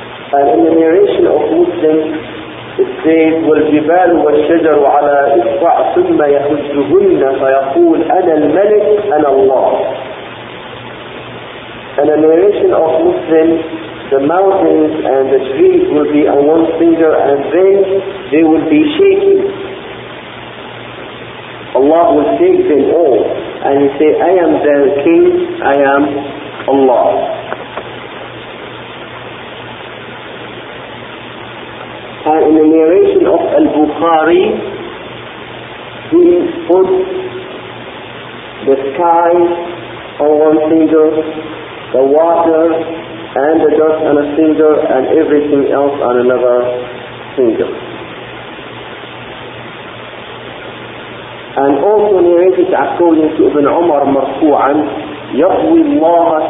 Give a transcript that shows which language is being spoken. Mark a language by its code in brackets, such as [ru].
[en] And in the narration of Muslims, it says, [ar] وَالْجِبَالُ وَالْشَجَرُ عَلَىٰ إِصْبَعْ ثُمَّ يَهُجُّهُنَّ فَيَقُولُ أَنَا الْمَلِكُ أَنَا اللَّهُ. [en] In a narration of Muslim, the mountains and the trees will be on one finger and then they will be shaking. Allah will shake them all and he say, I am the king, I am Allah. And in the narration of Al-Bukhari, he put the sky on one finger, the water and the dust on a finger, and everything else on another finger. And also narrated according to Ibn Umar marfu'an, [ar] يَقْوِي اللَّهُ